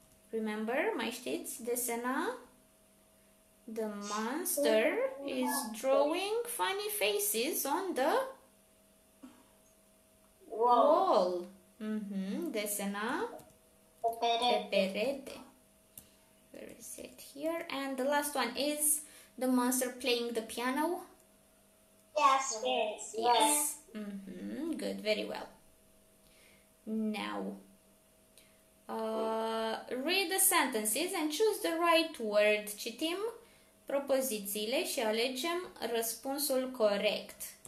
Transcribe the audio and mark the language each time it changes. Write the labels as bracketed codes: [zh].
[ro] Remember, mai știți desena? [en] The monster is drawing funny faces on the wall. [ro] Mm-hmm, desena? Pe perete. [en] Where is it? Here. And the last one, is the monster playing the piano? Yes. Mm-hmm. Good, very well. Now, read the sentences and choose the right word. [ro] Citim propozițiile și alegem răspunsul corect.